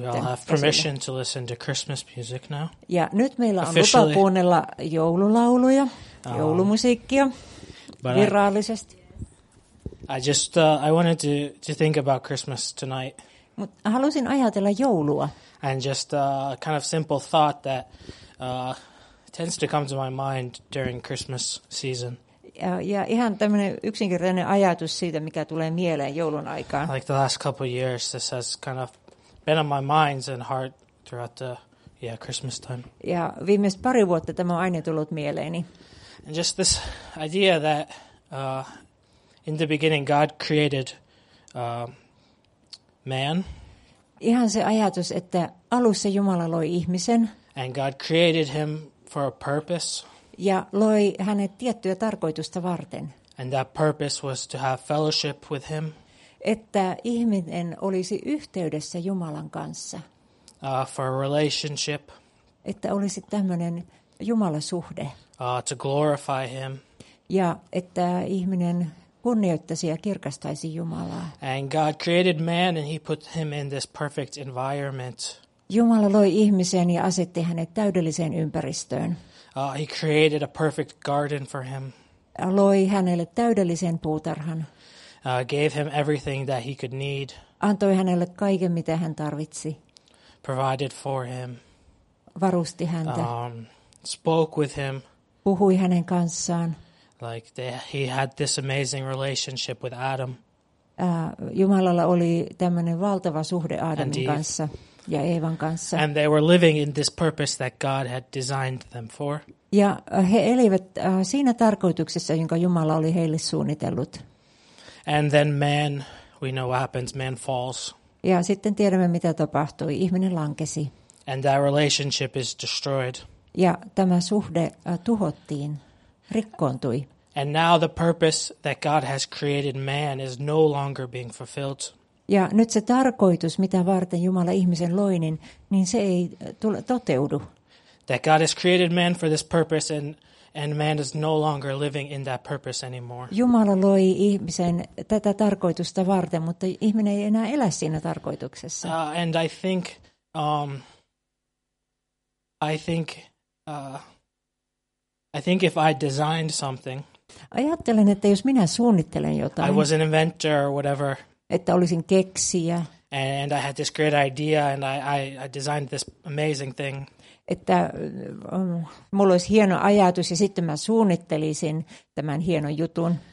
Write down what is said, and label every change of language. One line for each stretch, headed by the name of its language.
English: We all have permission to listen to Christmas music now.
Finnish: Ja nyt meillä on lupa kuunnella joululauluja, joulumusiikkia virallisesti.
English: I wanted to think about Christmas tonight.
Finnish: Mut halusin ajatella joulua.
English: And just a kind of simple thought that tends to come to my mind during Christmas season.
Finnish: Ja ihan tämmöinen yksinkertainen ajatus siitä, mikä tulee mieleen joulun aikaan.
English: Like the last couple of years, this has kind of been on my mind and heart throughout the Christmas time.
Finnish: Ja viimeiset pari vuotta tämä on aina tullut mieleeni.
English: And just this idea that in the beginning God created man.
Finnish: Ihan se ajatus, että alussa Jumala loi ihmisen.
English: And God created him for a purpose.
Finnish: Ja loi hänet tiettyä tarkoitusta varten.
English: And that purpose was to have fellowship with him.
Finnish: Että ihminen olisi yhteydessä Jumalan kanssa.
English: For a relationship.
Finnish: Että olisi tämmöinen Jumalasuhde.
English: To glorify him.
Finnish: Ja että ihminen kunnioittaisi ja kirkastaisi Jumalaa.
English: And God created man and he put him in this perfect environment.
Finnish: Jumala loi ihmisen ja asetti hänet täydelliseen ympäristöön.
English: He created a perfect garden for him.
Finnish: Loi hänelle täydellisen puutarhan.
English: Gave him everything that he could need.
Finnish: Antoi hänelle kaiken, mitä hän tarvitsi.
English: Provided for him.
Finnish: Varusti häntä.
English: Spoke with him.
Finnish: Puhui hänen kanssaan.
English: Like he had this amazing relationship with Adam.
Finnish: Jumalalla oli tämmöinen valtava suhde Aadamin kanssa. Ja Eevan kanssa.
English: And they were living in this purpose that God had designed them for.
Finnish: Ja he elivät siinä tarkoituksessa, jonka Jumala oli heille suunnitellut.
English: And then man, we know what happens, man falls.
Finnish: Ja sitten tiedämme, mitä tapahtui. Ihminen lankesi.
English: And that relationship is destroyed.
Finnish: Ja tämä suhde tuhottiin, rikkoontui.
English: And now the purpose that God has created man is no longer being fulfilled.
Finnish: Ja nyt se tarkoitus, mitä varten Jumala ihmisen loi, niin se ei toteudu.
English: That God has created man for this purpose and man is no longer living in that purpose anymore.
Finnish: Jumala loi ihmisen tätä tarkoitusta varten, mutta ihminen ei enää elä siinä tarkoituksessa.
English: And I think if I designed something.
Finnish: Ajattelen, että jos minä suunnittelen jotain.
English: I was an inventor or whatever.
Finnish: Että olisin keksijä.
English: And I had this great idea and I designed this amazing thing.
Finnish: Että mulla olisi hieno ajatus ja sitten mä suunnittelisin tämän hienon jutun.